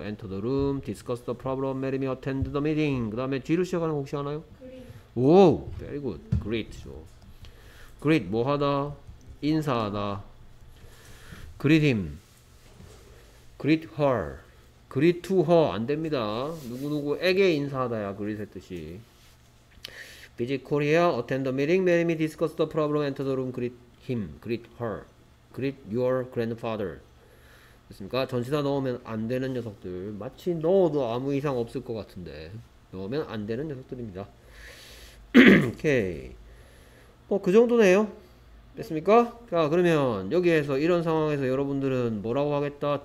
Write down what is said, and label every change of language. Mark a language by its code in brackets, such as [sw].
[en] Enter the room, discuss the problem, marry me, attend the meeting. [ko] 그 다음에 G로 시작하는 거 혹시 하나요? [en] Greet. 오, very good. Greet죠. Greet 뭐 하다? [ko] 인사하다. [en] Greet him. Greet her. Greet to her. [ko] 안 됩니다. 누구누구에게 인사하다야. Greet의 뜻이. [en] Visit Korea, attend the meeting, marry me, discuss the problem, enter the room, greet him, greet her. Greet your grandfather. [ko] 됐습니까? 전치사 넣으면 안 되는 녀석들. 마치 넣어도 아무 이상 없을 것 같은데 넣으면 안 되는 녀석들입니다. 오케이. 뭐 그 정도네요. 됐습니까? 자 그러면 여기에서 이런 상황에서 여러분들은 뭐라고 하겠다?